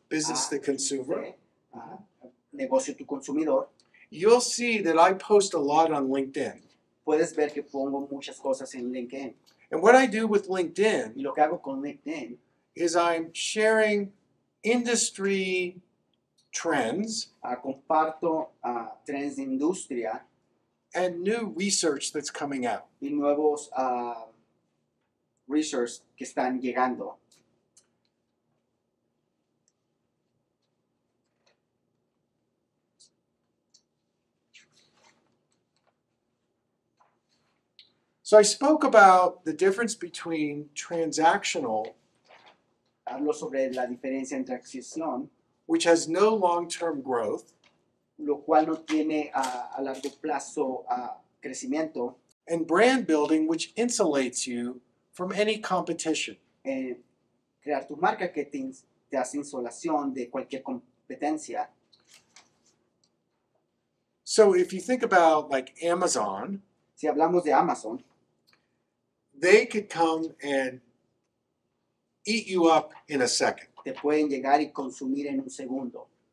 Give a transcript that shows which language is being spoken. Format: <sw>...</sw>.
<en>business to consumer,</en> <es>negocio tu consumidor,</es> <en>you'll see that I post a lot on LinkedIn.</en> <es>Puedes ver que pongo muchas cosas en LinkedIn.</es> <en>And what I do with LinkedIn,</en> <es>y lo que hago con LinkedIn,</es> <en>is I'm sharing industry trends,</en> <es>comparto trends de industria,</es> <en>and new research that's coming out.</en> <es>Y nuevos research que están llegando.</es> <en>So I spoke about the difference between transactional,</en> <es>hablo sobre la diferencia entre adquisición,</es> <en>which has no long-term growth,</en> <es>lo cual no tiene a largo plazo crecimiento,</es> <en>and brand building, which insulates you from any competition.</en> <es>Crear tu marca que te hace insulación de cualquier competencia.</es> <en>So if you think about like Amazon,</en> <es>si hablamos de Amazon,</es> <en>they could come and eat you up in a second.</en> <es>Te pueden llegar y consumir en un segundo.</es>